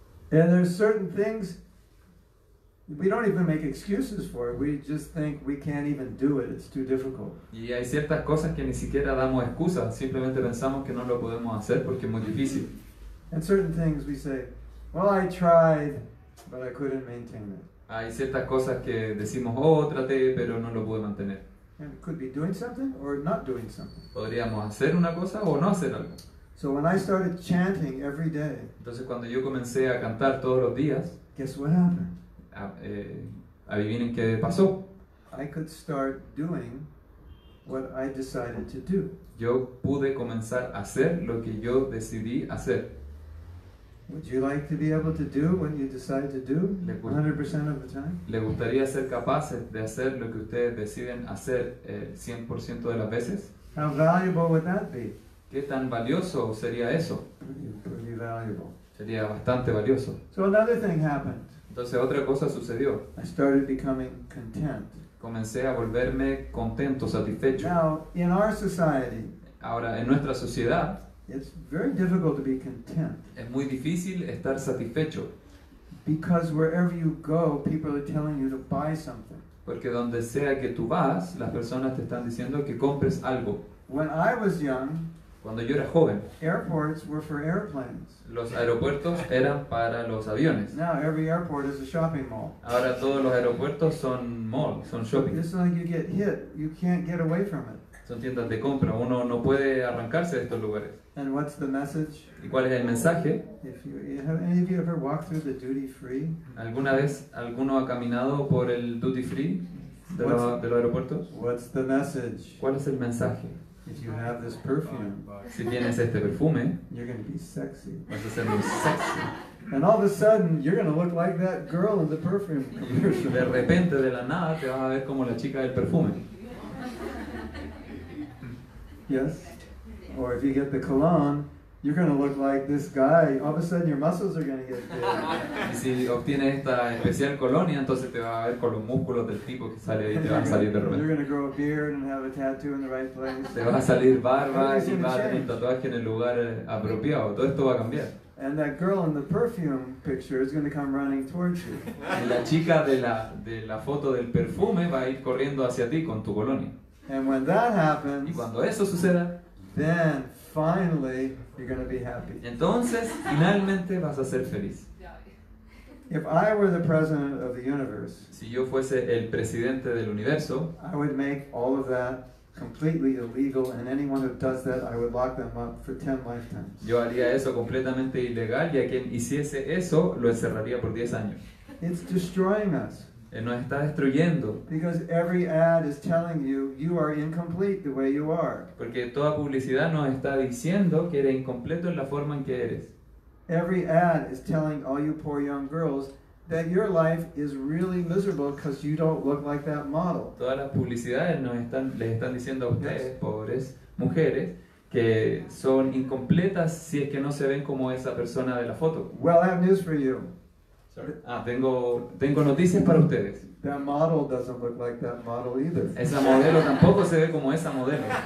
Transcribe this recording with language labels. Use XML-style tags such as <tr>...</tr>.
<en>And there's certain things we don't even make excuses for. We just think we can't even do it. It's too difficult.</en> <es>Y hay ciertas cosas que ni siquiera damos excusas. Simplemente pensamos que no lo podemos hacer porque es muy difícil.</es> <en>And certain things we say, well, I tried, but I couldn't maintain it.</en> <es>Hay ciertas cosas que decimos, oh, traté, pero no lo pude mantener.</es> <en>And could be doing something or not doing something.</en> <es>Podríamos hacer una cosa o no hacer algo.</es> <en>So when I started chanting every day,</en> <es>entonces cuando yo comencé a cantar todos los días,</es> <en>guess what happened?</en> <es>Adivinen qué pasó.</es> <en>I could start doing what I decided to do.</en> <es>Yo pude comenzar a hacer lo que yo decidí hacer.</es> <en>Would you like to be able to do what you decide to do 100% of the time?</en> <es>¿Le gustaría ser capaces de hacer lo que ustedes deciden hacer 100% de las veces?</es> <en>How valuable would that be?</en> <es>¿Qué tan valioso sería eso?</es> <en>Pretty valuable.</en> <es>Sería bastante valioso.</es> <en>So another thing happened.</en> <es>Entonces otra cosa sucedió.</es> <en>I started becoming content.</en> <es>Comencé a volverme contento, satisfecho.</es> <en>Now, in our society,</en> <es>ahora en nuestra sociedad,</es> <en>it's very difficult to be content.</en> <es>Es muy difícil estar satisfecho.</es> <en>Because wherever you go, people are telling you to buy something.</en> <es>Porque donde sea que tú vas, las personas te están diciendo que compres algo.</es> <en>When I was young,</en> <es>cuando yo era joven,</es> <en>airports were for airplanes.</en> <es>Los aeropuertos eran para los aviones.</es> <en>Now every airport is a shopping mall.</en> <es>Ahora todos los aeropuertos son mall, son shopping.</es> <en>It's like you get hit, you can't get away from it.</en> <es>Son tiendas de compra, uno no puede arrancarse de estos lugares.</es> <en>And what's the message?</en> <es>¿Y cuál es el mensaje?</es> <en>Have any of you ever walked through the duty free?</en> <es>¿Alguna vez alguno ha caminado por el duty free de los aeropuertos?</es> <en>What's the message?</en> <es>¿Cuál es el mensaje?</es> <en>If you have this perfume,</en> <es>si tienes este perfume,</es> <en>you're going to be sexy.</en> <es>Vas a ser muy sexy.</es> <en>And all of a sudden, you're going to look like that girl in the perfume.</en> <es>De repente, de la nada, te vas a ver como la chica del perfume.</es> <en>Yes. Or if you get the cologne, you're going to look like this guy. All of a sudden, your muscles are going to get big.</en> <es>Y si obtienes esta especial colonia, entonces te vas a ver con los músculos del tipo que sale ahí, te van a salir de repente.</es> <en>You're going to grow a beard and have a tattoo in the right place.</en> <es>Te va a salir barba y va a tener tatuaje en el lugar apropiado. Todo esto va a cambiar.</es> <en>And that girl in the perfume picture is going to come running towards you.</en> <es>Y la chica de la foto del perfume va a ir corriendo hacia ti con tu colonia.</es> <en>And when that happens,</en> <es>y cuando eso suceda,</es> <en>then finally you're going to be happy.</en> <es>Entonces, finalmente vas a ser feliz.</es> <en>If I were the president of the universe,</en> <es>si yo fuese el presidente del universo,</es> <en>I would make all of that completely illegal, and anyone who does that, I would lock them up for 10 lifetimes.</en> <es>Yo haría eso completamente ilegal, y a quien hiciese eso, lo encerraría por 10 años.</es> <en>It's destroying us.</en> <es>Nos está destruyendo.</es> <en>Because every ad is telling you, you are incomplete the way you are.</en> <es>Porque toda publicidad nos está diciendo que eres incompleto en la forma en que eres.</es> <en>Every ad is telling all you poor young girls that your life is really miserable because you don't look like that model.</en> <es>Todas las publicidades nos están, les están diciendo a ustedes, pobres mujeres, que son incompletas si es que no se ven como esa persona de la foto.</es> <en>Well, I have news for you.</en> <es>Tengo noticias para ustedes.</es> <en>That model doesn't look like that model either.</en> <es>Esa modelo tampoco se ve como esa modelo.</es>